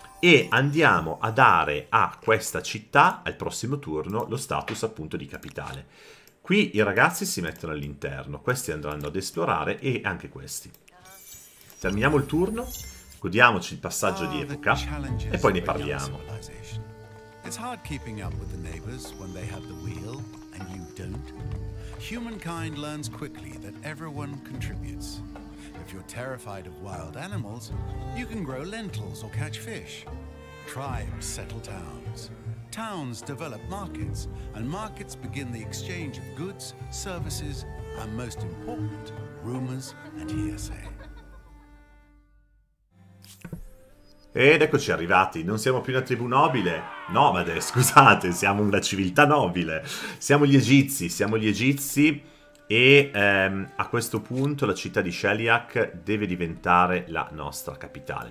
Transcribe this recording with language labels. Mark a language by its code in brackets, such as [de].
[it] E andiamo a dare a questa città, al prossimo turno, lo status appunto di capitale. Qui i ragazzi si mettono all'interno, questi andranno ad esplorare e anche questi. Terminiamo il turno, godiamoci il passaggio di epoca e poi ne parliamo. [en] It's hard keeping up with the neighbors when they have the wheel and you don't. Humankind learns quickly that everyone contributes. If you're terrified of wild animals, you can grow lentils or catch fish. Tribes settle towns. Towns develop markets, and markets begin the exchange of goods, services, and most important, rumors and hearsay. [it] Ed eccoci arrivati, non siamo più una tribù nobile, nomade, scusate, siamo una civiltà nobile. Siamo gli Egizi e a questo punto la città di Sheliak deve diventare la nostra capitale.